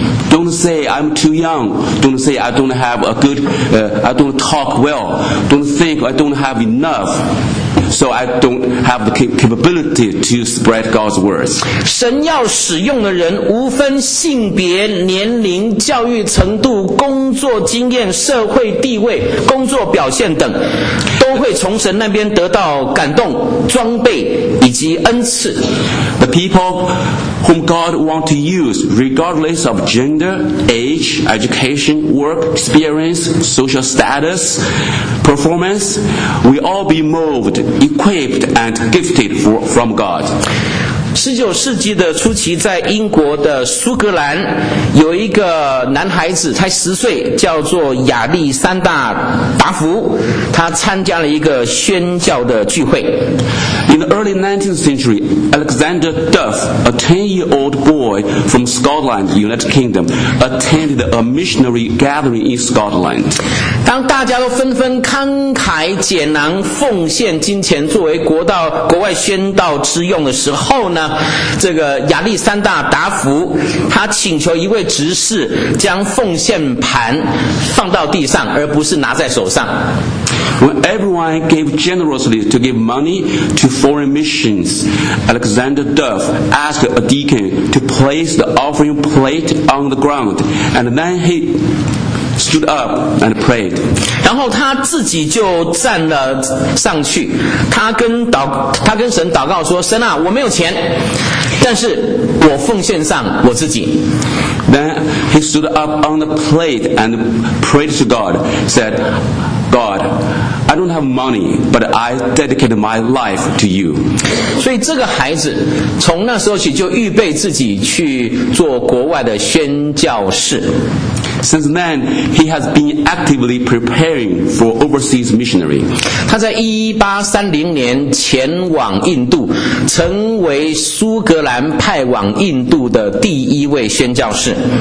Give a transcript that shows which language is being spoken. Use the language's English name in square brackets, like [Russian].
[English] Don't say I'm too young. Don't say I don't have a good. I don't talk well. Don't think I don't have enough. So I don't have the capability to spread God's words. [Chinese] 神要使用的人，无分性别、年龄、教育程度、工作经验、社会地位、工作表现等，都会从神那边得到感动、装备以及恩赐。 [English] The people whom God wants to use, regardless of gender, age, education, work experience, social status, performance, will all be moved, equipped, and gifted from God. [Chinese] 19世纪的初期，在英国的苏格兰有一个男孩子，才十岁，叫做亚历山大达福，他参加了一个宣教的聚会。 [English] In the early 19th century, Alexander Duff, a 10-year-old boy from Scotland, United Kingdom, attended a missionary gathering in Scotland. [Chinese] 当大家都纷纷慷慨解囊奉献金钱作为国外宣道之用的时候呢，这个亚历山大达福他请求一位执事将奉献盘放到地上，而不是拿在手上。 [English] When everyone gave generously to give money to foreign missions, Alexander Duff asked a deacon to place the offering plate on the ground, and then he stood up and prayed. [Chinese] 然后他自己就站了上去，他跟神祷告说，神啊，我没有钱，但是我奉献上我自己。 [English] Then he stood up on the plate and prayed to God, said,God, I don't have money, but I dedicate my life to you. [Chinese] 所以这个孩子从那时候起就预备自己去做国外的宣教士。 [English] Since then, he has been actively preparing for overseas missionary. [Chinese] 他在1830年前往印度，成为苏格兰派往印度的第一位宣教士。